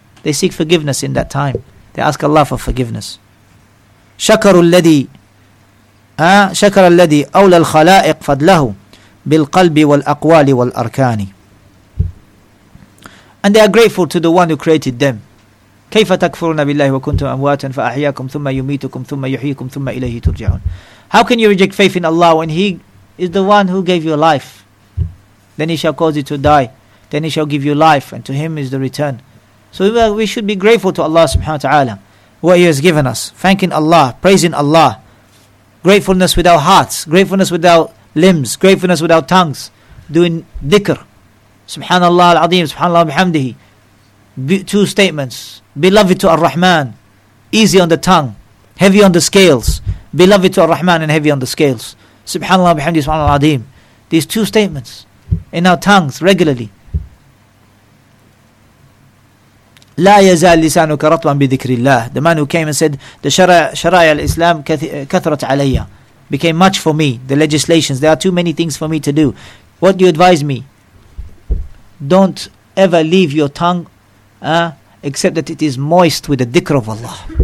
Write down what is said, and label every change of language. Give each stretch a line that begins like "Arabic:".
English: They seek forgiveness in that time. They ask Allah for forgiveness.
Arabic: شَكَرُ الَّذِي شَكَرَ الَّذِي أَوْلَى الْخَلَائِقْ فَضْلَهُ بِالْقَلْبِ وَالْأَقْوَالِ وَالْأَرْكَانِ.
English: And they are grateful to the one who created them.
Arabic: كيف تكفرون بالله وكنتم أمواتا فأحياكم ثم يميتكم ثم يحييكم ثم إليه ترجعون.
English: How can you reject faith in Allah when He is the one who gave you life? Then He shall cause you to die. Then He shall give you life, and to Him is the return. So we should be grateful to Allah subhanahu wa ta'ala what He has given us. Thanking Allah, praising Allah. Gratefulness with our hearts. Gratefulness with our limbs. Gratefulness with our tongues. Doing dhikr.
Arabic: Subhanallah al-azim. Subhanallah bihamdihi.
English: Two statements. Beloved to Ar-Rahman, easy on the tongue, heavy on the scales. Beloved to Ar-Rahman and heavy on the scales.
Arabic: Subhanallah, bihamdihi, subhanallah al-azim.
English: These two statements in our tongues regularly.
Arabic: لا يزال لسانك رطبا بذكر الله.
English: The man who came and said, the
Arabic: sharia al-Islam kathrat alayya,
English: became much for me, the legislations. There are too many things for me to do. What do you advise me? Don't ever leave your tongue except that it is moist with the dhikr of Allah.